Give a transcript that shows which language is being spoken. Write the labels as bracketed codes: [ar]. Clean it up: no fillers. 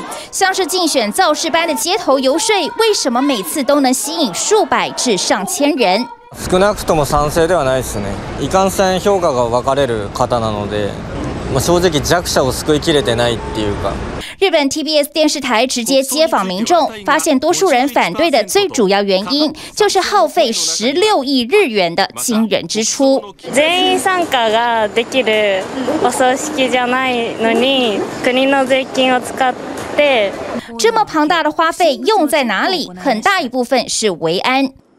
[zh] 像是竞选造势般的街头游说，为什么每次都能吸引数百至上千人？ [ja] 少なくとも賛成ではないですね。いかんせん評価が分かれる方なので、正直弱者を救いきれてないっていうか。 [zh] 日本 TBS 电视台直接接访民众，发现多数人反对的最主要原因就是耗费16亿日元的惊人支出。 [ja] 全員参加ができるお葬式じゃないのに、国の税金を使って。 [zh] 这么庞大的花费用在哪里？很大一部分是维安。